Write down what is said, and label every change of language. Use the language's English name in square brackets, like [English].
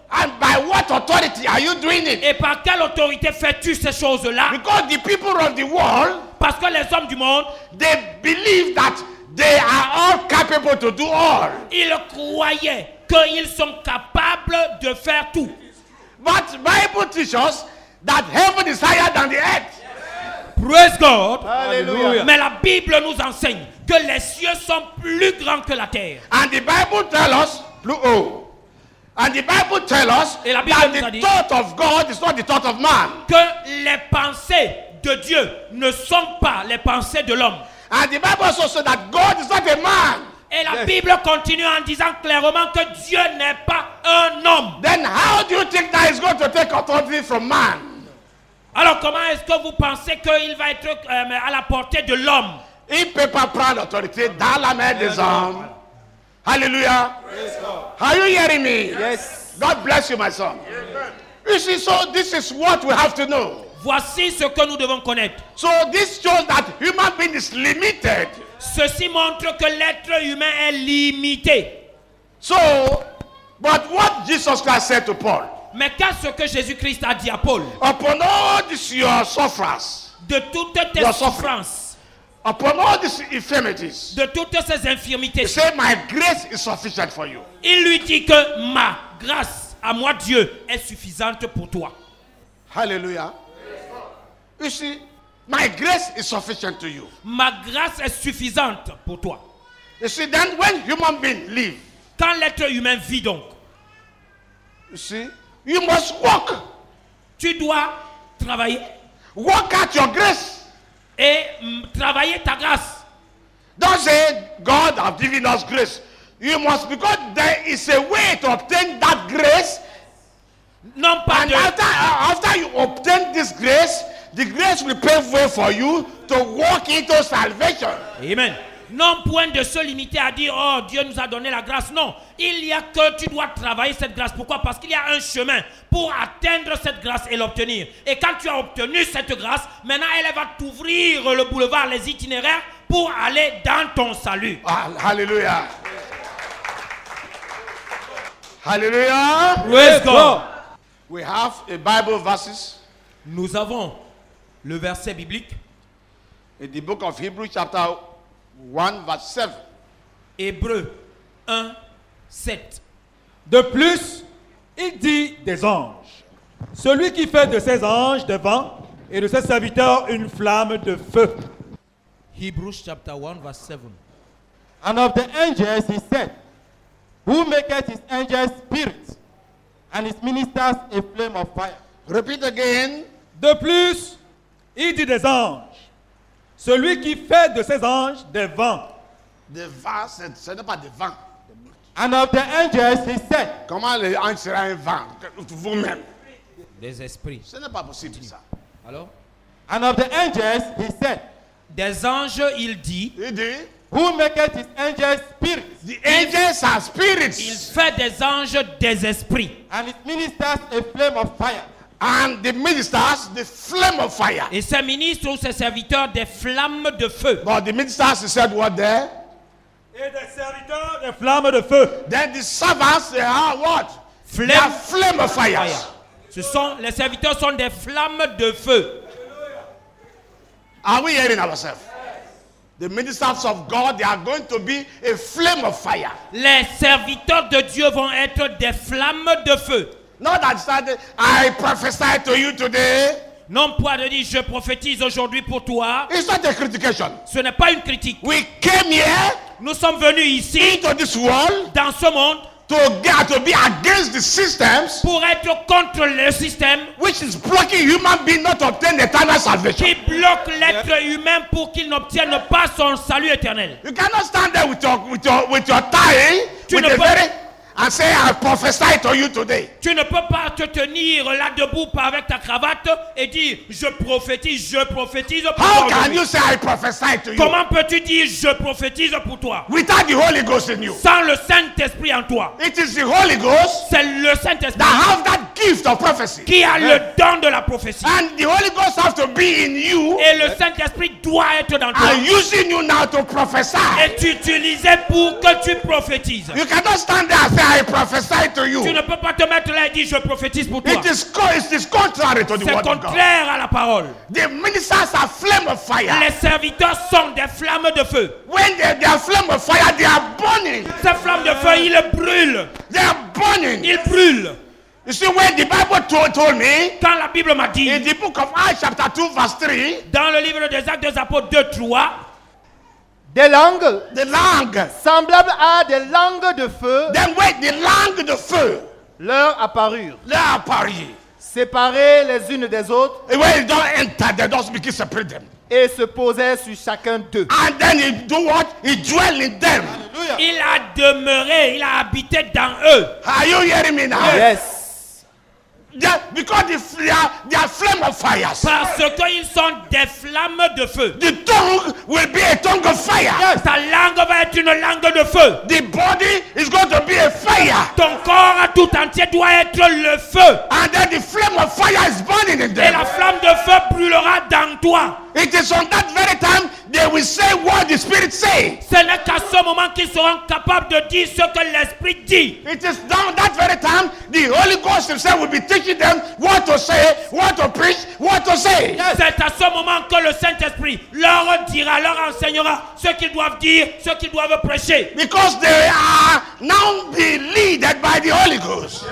[English] And by what authority are you doing it? [French] Et par quelle autorité fais-tu ces choses-là? [English] Because the people of the world, [French] parce que les hommes du monde, [English] they believe that they are all capable to do all. [French] Ils croyaient qu'ils sont capables de faire tout. [English] But Bible teaches us that heaven is higher than the earth. Praise God. Hallelujah. [French] Mais la Bible nous enseigne que les cieux sont plus grands que la terre. [English] And the Bible tells us [French] plus haut. [English] And the Bible tells us that the thought of God is not the thought of man. [French] Que les pensées de Dieu ne sont pas les pensées de l'homme. [English] And the Bible also says that God is not a man. [French] Et la Bible continue en disant clairement que Dieu n'est pas un homme. [English] Then how do you think that he's going to take authority from man? [French] Alors comment est-ce que vous pensez qu'il va être à la portée de l'homme? Il ne peut pas prendre l'autorité dans la main des hommes. [English] Hallelujah. Praise God. Are you hearing me? Yes. God bless you, my son. You see, so this is what we have to know. [French] Voici ce que nous devons connaître. [English] So this shows that human being is limited. [French] Ceci montre que l'être humain est limité. [English] So, but what Jesus Christ said to Paul? [French] Mais qu'est-ce que Jésus-Christ a dit à Paul? [English] Upon all this your sufferings, [French] de toutes tes souffrances, [English] upon all these infirmities, [French] de toutes ces infirmités, [English] say my grace is sufficient for you. [French] Il lui dit que ma grâce à moi Dieu est suffisante pour toi. [English] Hallelujah. You see, my grace is sufficient to you. [French] Ma grâce est suffisante pour toi. [English] You see, then when human being live, [French] quand l'être humain vit donc, [English] you see, you must work. [French] Tu dois travailler. [English] Work at your grace. [French] Et travailler ta grâce. [English] Don't say God has given us grace. You must, because there is a way to obtain that grace. [French] Non, pas [English] and [French] de... [English] after you obtain this grace, the grace will pave way for you to walk into salvation. Amen. [French] Non point de se limiter à dire oh Dieu nous a donné la grâce. Non, il y a que tu dois travailler cette grâce. Pourquoi? Parce qu'il y a un chemin pour atteindre cette grâce et l'obtenir. Et quand tu as obtenu cette grâce, maintenant elle va t'ouvrir le boulevard, les itinéraires pour aller dans ton salut. Alléluia. Alléluia. [English] Praise God. We have a Bible verses. [French] Nous avons le verset biblique. [English] In the book of Hebrews chapter 1 verse 7. [French] Hébreux 1, 7. De plus, il dit des anges. Celui qui fait de ses anges des vents et de ses serviteurs une flamme de feu. [English] Hebrews chapter 1 verse 7. And of the angels he said, who maketh his angels spirits and his ministers a flame of fire. Repeat again. [French] De plus, il dit des anges. Celui qui fait de ses anges des vents. Des vents, ce n'est pas des vents. [English] And of the angels, he said. [French] Comment les anges seraient un vent? Vous-même. Des esprits. Ce n'est pas possible, ça. Alors? [English] And of the angels, he said. [French] Des anges, il dit. Il dit. [English] Who maketh his angels spirits? The angels are spirits. [French] Il fait des anges des esprits. [English] And his ministers a flame of fire. And the ministers, the flame of fire. [French] Et ses ministres ou ses serviteurs, des flammes de feu. [English] But the ministers said what there? [French] Et des serviteurs, des flammes de feu. [English] Then the servants, they are what? Flame. They are flame of fire. [French] Ce sont, les serviteurs sont des flammes de feu. [English] Are we hearing ourselves? The ministers of God, they are going to be a flame of fire. [French] Les serviteurs de Dieu vont être des flammes de feu. [English] Not that I prophesy to you today. [French] Non, pas de dire je prophétise aujourd'hui pour toi. [English] It's not a criticism. [French] Ce n'est pas une critique. [English] We came here. [French] Nous sommes venus ici. [English] Into this world. [French] Dans ce monde. [English] To be against the systems. [French] Pour être contre le système. [English] Which is blocking human being not obtain eternal salvation. [French] Qui bloque l'être humain pour qu'il n'obtienne pas son salut éternel. [English] You cannot stand there with your tie. [French] Tu [English] with [French] ne peux [English] very, and say I prophesy to you today. [French] Tu ne peux pas te tenir là debout avec ta cravate et dire je prophétise pour toi. [English] How can you say I prophesy to you? [French] Comment peux-tu dire je prophétise pour toi? [English] Without the Holy Ghost in you. [French] Sans le Saint-Esprit en toi. [English] It is the Holy Ghost. [French] C'est le Saint-Esprit. [English] That have that gift of prophecy. [French] Qui a le don de la prophétie. [English] And the Holy Ghost has to be in you. [French] Et le Saint-Esprit doit être dans toi. [English] And using you now to prophesy. [French] Et t'utiliser pour que tu prophétises. [English] You cannot stand there. I prophesy to you. [French] Tu ne peux pas te mettre là et dire je prophétise pour toi. [English] It is contrary to the word of God. [French] C'est contraire à la parole. [English] The ministers are flame of fire. [French] Les serviteurs sont des flammes de feu. [English] When they are flame of fire, they are burning. [French] Ces flammes de feu, ils brûlent. [English] They are burning. [French] Ils brûlent. [English] You see when the Bible told me. [French] Quand la Bible m'a dit. [English] In the book of Acts chapter 2 verse 3. [French] Dans le livre des Actes des Apôtres 2:3. Des langues, [English] the langue, [French] semblables à des langues de feu, [English] then wait, the [French] langue de feu leur apparurent, leur apparurent, séparées les unes des autres, [English] and when they don't enter, they don't speak, separate them. [French] Et se posaient sur chacun d'eux. [English] And then he do what? He dwell in them. Hallelujah. [French] Il a demeuré, il a habité dans eux. [English] Are you hearing me now? Yes. Because they are flame of fires. [French] Parce qu'ils sont des flammes de feu. [English] The tongue will be a tongue of fire. [French] Ta langue va être une langue de feu. [English] The body is going to be a fire. [French] Ton corps tout entier doit être le feu. [English] And then the flame of fire is burning in them. [French] Et la flamme de feu brûlera dans toi. [English] It is on that very time they will say what the Spirit say. [French] Ce n'est qu'à ce moment qu'ils seront capables de dire ce que l'Esprit dit. [English] It is on that very time the Holy Ghost himself will be teaching them what to say, what to preach, what to say. Yes. [French] C'est à ce moment que le Saint-Esprit leur dira, leur enseignera ce qu'ils doivent dire, ce qu'ils doivent prêcher. [English] Because they are now being led by the Holy Ghost.